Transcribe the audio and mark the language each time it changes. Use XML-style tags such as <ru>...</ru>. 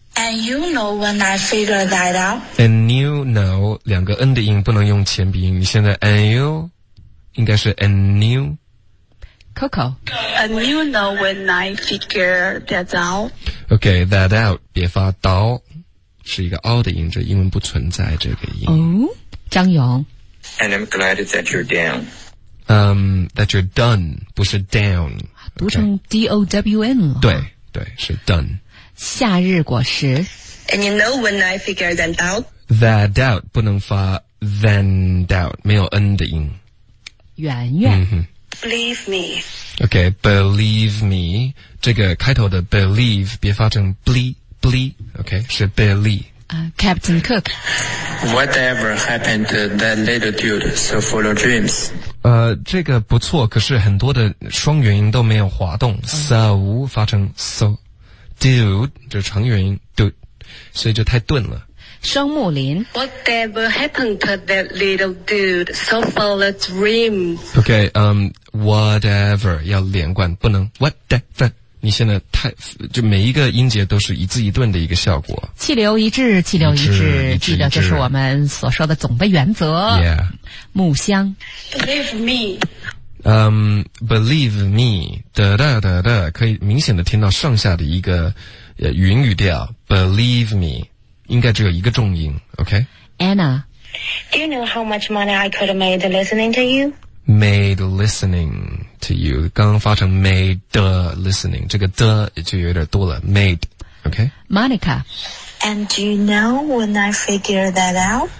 <en>And you know when I figured that out. And you know</en> <zh>两个 n 的音不能用前鼻音，你现在</zh> <en>and you</en> <zh>应该是 and you.</zh> <en>Coco. And you know when I figured that out. Okay, that out</en> <zh>别发刀。是一个凹的音，这英文不存在这个音。哦，张勇。</zh> <en>And I'm glad that you're down. That you're done,</en> <zh>不是</zh> <en>down.</en> <zh>读成 D-O-W-N 了。对，是 done. 夏日果实。</zh> <en>And you know when I figure that out? That doubt,</en> <zh>不能发</zh> <en>than doubt,</en> <zh>没有 N 的音。圆圆。</zh> <en>Believe me. Okay, believe me.</en> <zh>这个开头的 believe, 别发成 Okay, 是 Billy.</zh> <en>Captain Cook. Whatever happened to that little dude so full of dreams?</en> <zh>这个不错，可是很多的双元音都没有滑动。 So 发成 so. Dude, 就是长元音 dude, 所以就太顿了。双木林。</zh> <en>Whatever happened to that little dude so full of dreams? Okay, whatever,</en> <zh>要连贯，不能 whatever. 你现在太就每一个音节都是一字一顿的一个效果。气流一致，气流一致，记得就是我们所说的总的原则。</zh> <en>Yeah.</en> <zh>木香。</zh> <en>Believe me. Believe me.</en> <zh>哒哒哒哒，可以明显的听到上下的一个云语调。</zh> <en>Believe me.</en> <zh>应该只有一个重音。Okay.</zh> <en>Anna. Do you know how much money I could have made listening to you? Made listening to you,</en> <zh>刚刚发成</zh> <en>made the listening,</en> <zh>这个的就有点多了</zh> <en>made, okay? Monica. And do you know when I figured that out?</en>